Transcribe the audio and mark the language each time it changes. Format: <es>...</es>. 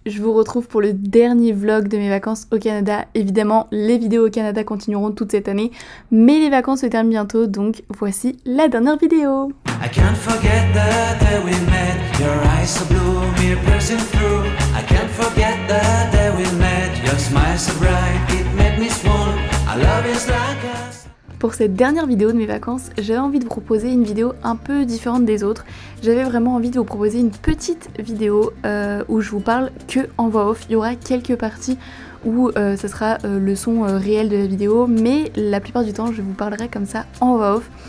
<fr>Je vous retrouve pour le dernier vlog de mes vacances au Canada. Évidemment, les vidéos au Canada continueront toute cette année, mais les vacances se terminent bientôt, donc voici la dernière vidéo!</fr> <en>I can't forget the day we met, your eyes so blue, mere piercing through. I can't forget the day we met, your smile so bright, it made me swoon. Our love is like a...</en> <fr>Pour cette dernière vidéo de mes vacances, j'avais envie de vous proposer une vidéo un peu différente des autres. J'avais vraiment envie de vous proposer une petite vidéo où je vous parle que en voix off. Il y aura quelques parties où ce sera le son réel de la vidéo, mais la plupart du temps je vous parlerai comme ça en voix off.</fr>